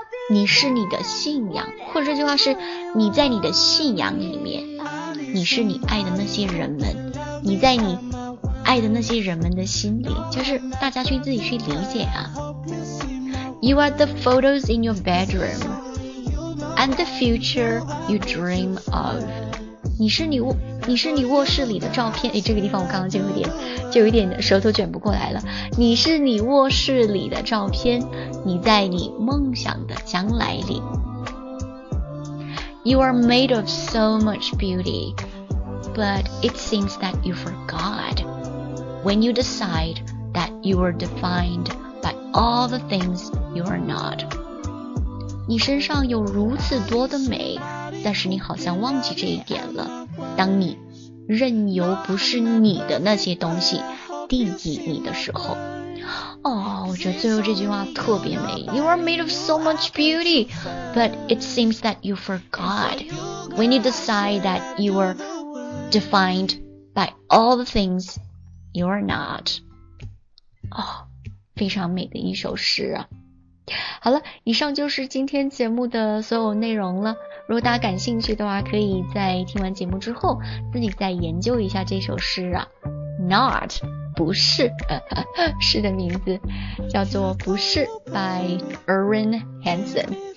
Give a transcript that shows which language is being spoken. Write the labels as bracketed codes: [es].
[zh] 你是你的信仰，或者这句话是你在你的信仰里面，你是你爱的那些人们，你在你爱的那些人们的心里，就是大家去自己去理解啊。 [en] You are the photos in your bedroom and the future you dream of. [zh] 你是你卧室里的照片，哎，这个地方我刚刚就有点舌头卷不过来了。你是你卧室里的照片，你在你梦想的将来里。 [en] You are made of so much beauty, but it seems that you forgot. When you decide that you are defined by all the things you are not. [zh] 你身上有如此多的美，但是你好像忘记这一点了。当你任由不是你的那些东西定义你的时候。哦，我觉得最后这句话特别美。 [en] You are made of so much beauty, but it seems that you forgot. When you decide that you are defined by all the things,You're not. [zh] 哦，非常美的一首诗啊。好了，以上就是今天节目的所有内容了。如果大家感兴趣的话，可以在听完节目之后自己再研究一下这首诗啊。 Not, 不是，诗的名字叫做不是 by Erin Hansen。